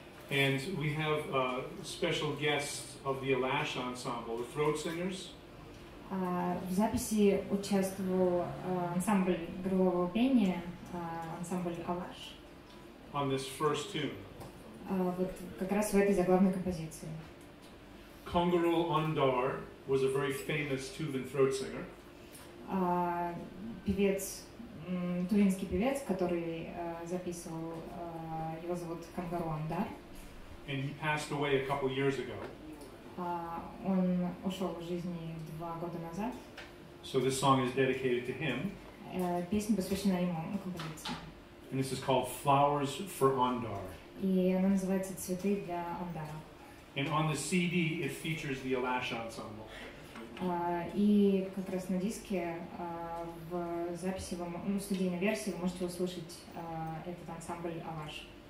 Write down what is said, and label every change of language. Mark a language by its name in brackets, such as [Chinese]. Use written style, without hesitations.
[English] And we have special guests of the Alash ensemble, the throat singers. [Russian] В записи участвовал ансамбль грудного пения, ансамбль Alash. [English] On this first tune. [Russian] Вот как раз в этой заглавной композиции. [English] Kongarul Undar was a very famous Tuvan throat singer. [Russian] Певец. Тувинский певец, который записывал, его зовут Кангару Андар. [English] And he passed away a couple years ago. [Russian] Он ушел из жизни 2 года назад. [English] So this song is dedicated to him. [Russian] Песня посвящена ему, композиция. [English] And this is called Flowers for Andar. [Russian] И она называется «Цветы для Андара». [English] And on the CD it features the Alash ensemble. [Russian] И как раз на диске в записи, ну, в студийной версии вы можете услышать этот ансамбль Alash.